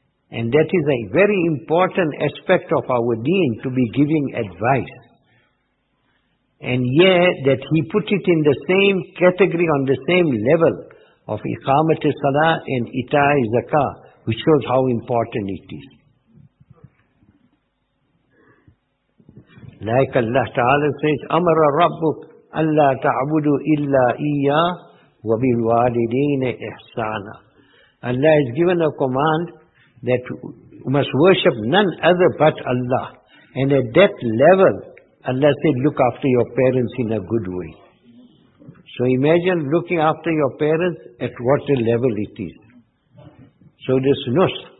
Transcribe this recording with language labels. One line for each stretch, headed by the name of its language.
English: And that is a very important aspect of our deen, to be giving advice. And yet, that he put it in the same category, on the same level of iqamati salah and ita'i zakah, which shows how important it is. Like Allah Ta'ala says,
Arabic: أَمَرَ رَبُّكَ أَلَّا تَعْبُدُوا إِلَّا إِيَّا وَبِالْوَالِدِينَ إِحْسَانًا.
English: Allah has given a command that you must worship none other but Allah. And at that level, Allah said, look after your parents in a good way. So imagine looking after your parents at what a level it is. So this nus.